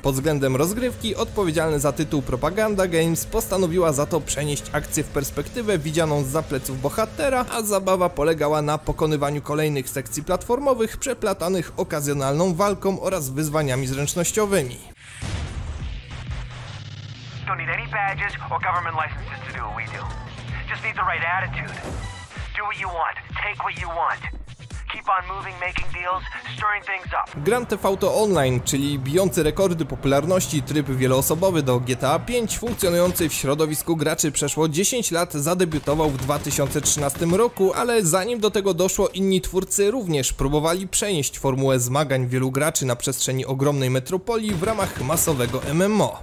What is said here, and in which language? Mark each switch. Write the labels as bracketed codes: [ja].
[pl] Pod względem rozgrywki, odpowiedzialny za tytuł Propaganda Games postanowiła za to przenieść akcję w perspektywę widzianą zza pleców bohatera, a zabawa polegała na pokonywaniu kolejnych sekcji platformowych przeplatanych okazjonalną walką oraz wyzwaniami zręcznościowymi. [en] Don't need any badges or government licenses to do what we do. Just need the right attitude. Do what you want, take what you want. Keep on moving, making deals, stirring things up. [pl] Grand Theft Auto Online, czyli bijący rekordy popularności tryb wieloosobowy do GTA V, funkcjonujący w środowisku graczy przeszło 10 lat, zadebiutował w 2013 roku, ale zanim do tego doszło, inni twórcy również próbowali przenieść formułę zmagań wielu graczy na przestrzeni ogromnej metropolii w ramach masowego MMO.